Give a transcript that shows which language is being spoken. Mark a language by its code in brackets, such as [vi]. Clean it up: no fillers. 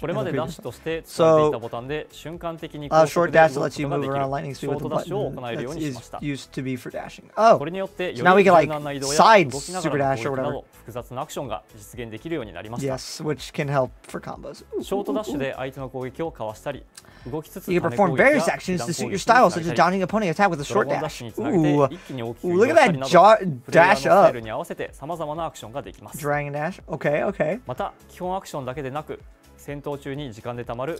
[ja] これまでダッシュとして使っていたボタンで瞬間的に高速で動くことができる。ショートダッシュを行えるようにしました。 [en] That's used to be for dashing. [ja] これによってより柔軟な移動や動きながら攻撃など複雑なアクションが実現できるようになりました。 [en] Yes, which can help for combos. [ja] ショートダッシュで相手の攻撃をかわしたり、動きつつ [en] You can perform various actions to suit your style, such as dodging a pony attack with a short dash. Look at that dash up. [ja] プレイヤーのスタイルに合わせて様々な [en] Dragon Dash? Okay, okay. [ja] また基本アクションだけでなく、戦闘中に時間で貯まる